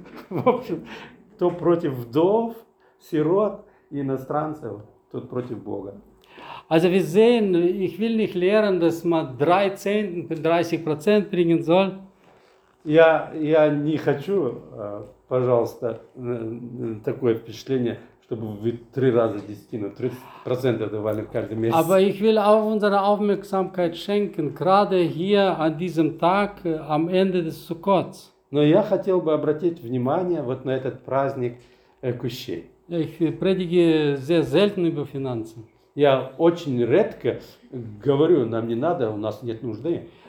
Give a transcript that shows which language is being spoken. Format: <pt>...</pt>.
<ru>В общем, кто против вдов, сирот и иностранцев, тот против Бога.</ru> <de>Also wir sehen, ich will nicht lehren, dass man 3 Zehnten für 30% bringen soll.</de> <ru>Я не хочу, пожалуйста, такое впечатление, чтобы вы 3 раза десятину, 30% давали каждый месяц.</ru> <de>Aber ich will auch unsere Aufmerksamkeit schenken, gerade hier an diesem Tag, am Ende des Sukkot.</de> <ru>Но я хотел бы обратить внимание вот на этот праздник кущей.</ru> <de>Ich predige sehr selten über Finanzen.</de> <ru>Я очень редко говорю, нам не надо, у нас нет нужды.</ru>